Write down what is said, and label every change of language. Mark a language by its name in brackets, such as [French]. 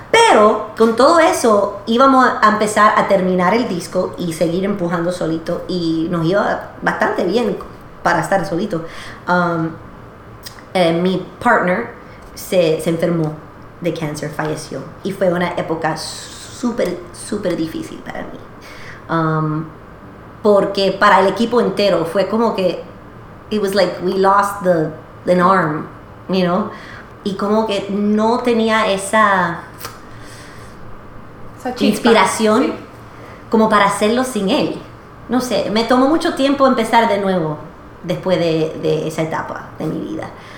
[Spanish] Pero con todo eso íbamos a empezar a terminar el disco y seguir empujando solito y nos iba bastante bien para estar solito. Mi partner se enfermó de cáncer, falleció. Y fue una época súper, súper difícil para mí. Porque para el equipo entero fue como que... [English] it was like we lost the arm, you know? [Spanish] Y como que no tenía esa inspiración como para hacerlo sin él. No sé, me tomó mucho tiempo empezar de nuevo después de esa etapa de mi vida.